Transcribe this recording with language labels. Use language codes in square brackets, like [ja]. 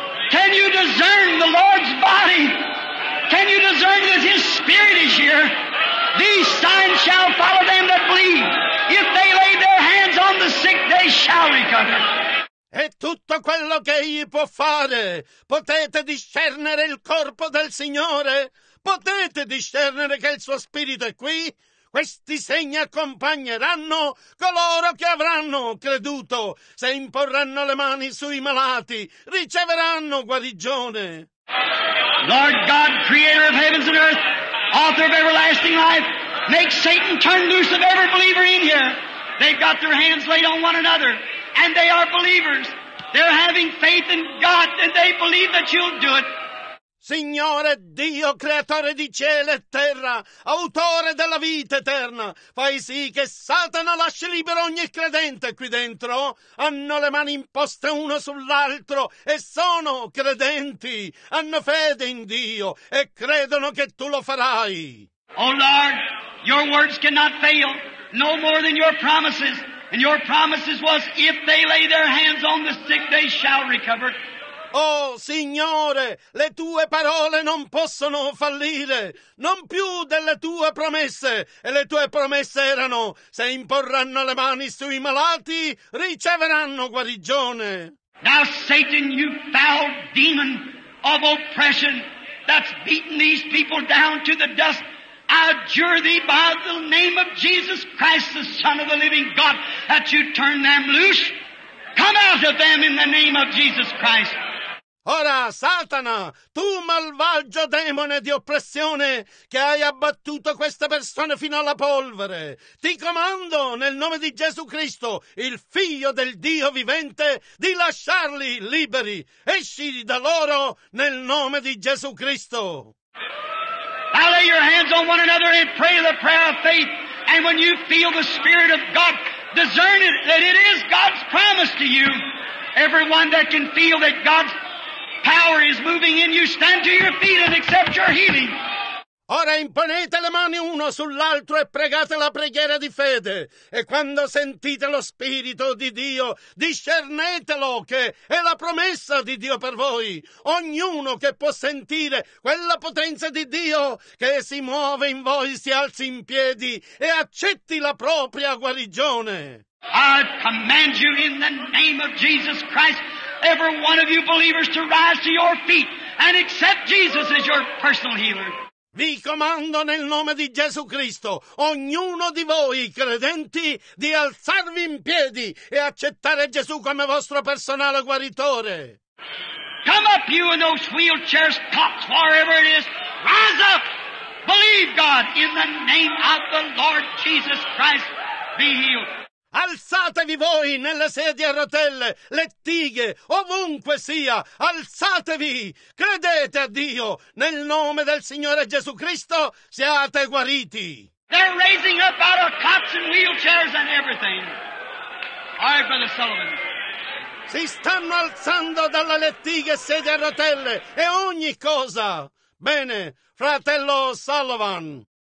[en] Can you discern the Lord's body? Can you discern that his spirit is here? These signs shall follow them that believe. If they lay their hands on the sick, they shall recover. [it] È tutto quello che egli può fare. Potete discernere il corpo del Signore? Potete discernere che il suo spirito è qui? Questi segni accompagneranno coloro che avranno creduto. Se imporranno le mani sui malati, riceveranno guarigione. [en] Lord God, creator of heavens and earth, author of everlasting life, make Satan turn loose of every believer in here. They've got their hands laid on one another, and they are believers. They're having faith in God, and they believe that you'll do it. [it] Signore Dio, creatore di cielo e terra, autore della vita eterna, fai sì che Satana lasci libero ogni credente qui dentro. Hanno le mani imposte uno sull'altro e sono credenti. Hanno fede in Dio e credono che tu lo farai. [en] Oh Lord, your words cannot fail, no more than your promises. And your promises was, if they lay their hands on the sick, they shall recover. [it] Oh, Signore, le Tue parole non possono fallire, non più delle Tue promesse. E le Tue promesse erano, se imporranno le mani sui malati, riceveranno guarigione. [en] Now, Satan, you foul demon of oppression that's beaten these people down to the dust, I adjure thee by the name of Jesus Christ, the Son of the living God, that you turn them loose. Come out of them in the name of Jesus Christ. [it] Ora, Satana, tu malvagio demone di oppressione che hai abbattuto queste persone fino alla polvere, ti comando nel nome di Gesù Cristo, il Figlio del Dio vivente, di lasciarli liberi. Esci da loro nel nome di Gesù Cristo. [en] Now lay your hands on one another and pray the prayer of faith. And when you feel the Spirit of God, discern it, that it is God's promise to you. Everyone that can feel that God's power is moving in you, stand to your feet and accept your healing. [it] Ora imponete le mani uno sull'altro e pregate la preghiera di fede. E quando sentite lo Spirito di Dio, discernetelo che è la promessa di Dio per voi. Ognuno che può sentire quella potenza di Dio che si muove in voi, si alzi in piedi e accetti la propria guarigione. [en] I command you in the name of Jesus Christ, every one of you believers, to rise to your feet and accept Jesus as your personal healer. [it] Vi comando nel nome di Gesù Cristo, ognuno di voi credenti, di alzarvi in piedi e accettare Gesù come vostro personale guaritore. [en] Come up, you in those wheelchairs, cots, wherever it is, rise up, believe God, in the name of the Lord Jesus Christ, be healed. [it] Alzatevi voi nelle sedie a rotelle, lettighe, ovunque sia, alzatevi, credete a Dio, nel nome del Signore Gesù Cristo siate guariti. [en] They're raising up out of cots and wheelchairs and everything. All right, Brother Sullivan. [it] Si stanno alzando dalle lettighe, sedie a rotelle e ogni cosa. Bene, fratello Sullivan.